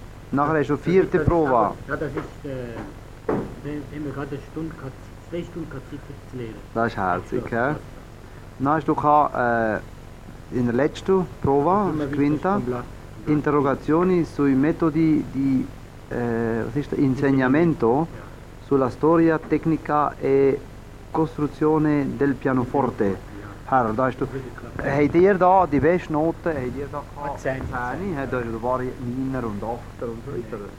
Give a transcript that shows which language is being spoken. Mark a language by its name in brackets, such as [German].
[German] Nachher ist schon vierte Prova. Ja, das ist, wenn man gerade 2 Stunden Zeit zu lernen. Das ist herzig, ja. Dann hast du in der letzten Prova, Quinta, [Italian] Interrogazioni sui metodi di insegnamento sulla storia tecnica e costruzione del pianoforte. [German] Herr, da hast du, habt ihr da die besten Noten, habt ihr da gehabt? 10. Da ist ein paar 9er und 8er und so weiter.